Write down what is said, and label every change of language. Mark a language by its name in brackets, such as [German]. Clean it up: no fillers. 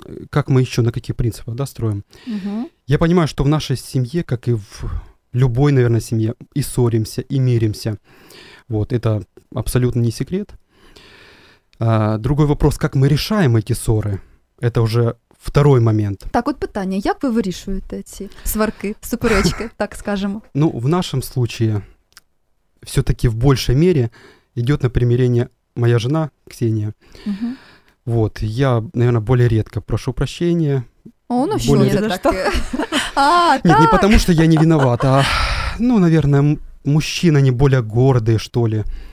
[Russian] Как мы еще, на каких принципах, да, строим? Угу. Я понимаю, что в нашей семье, как и в любой, наверное, семье, и ссоримся, и миримся. Вот, это абсолютно не секрет. Другой вопрос, как мы решаем эти ссоры, это уже второй момент. [Ukrainian] Так, вот питання, як ви вирішуєте ці сварки, суперечки, так скажемо? [Russian] Ну, в нашем случае, все-таки в большей мере, идет на примирение моя жена Ксения. Угу. Вот, я, наверное, более редко прошу прощения. [Ukrainian] О, ну що, не за таке? [Russian] Нет, не потому что я не виноват, а, ну, наверное, мужчины, они более гордые, что ли.